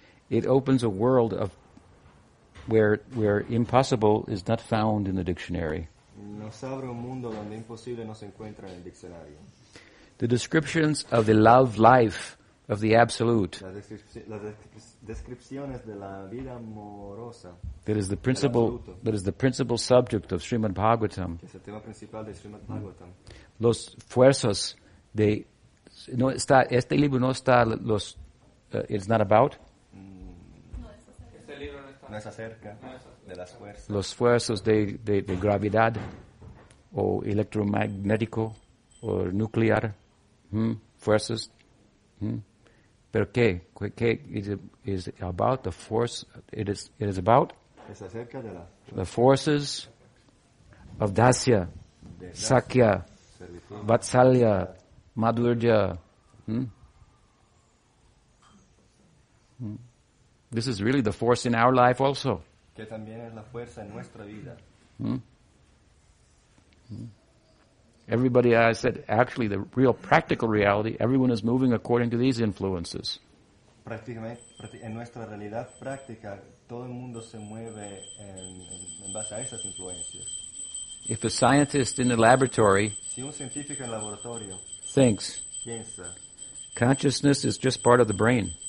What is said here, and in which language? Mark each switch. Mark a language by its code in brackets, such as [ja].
[en] it opens a world of where impossible is not found in the dictionary. [es] Nos abre un mundo donde imposible no se encuentra en el diccionario. [en] The descriptions of the love life of the absolute, [es] las descripciones de la vida amorosa, [en] that is the principal subject of Srimad Bhagavatam, [es] que es el tema principal de Srimad Bhagavatam. Los fuerzas de no está este libro no está los [en] it's not about [es] este libro no es acerca de las fuerzas, los fuerzas de gravedad o electromagnético o nuclear, fuerzas. Pero qué [en] is about the force, it is about [es] es acerca de la [en] the forces of dasya, sakya, vatsalya, madhurya. This is really the force in our life also, [es] que también es la fuerza en nuestra vida. [en] Everybody, I said, actually the real practical reality, everyone is moving according to these influences. [es] En nuestra realidad práctica, todo el mundo se mueve en base a esas influencias. [en] If a scientist in the laboratory, [es] si un científico en el laboratorio, [en] thinks, [es] piensa, [en] consciousness is just part of the brain,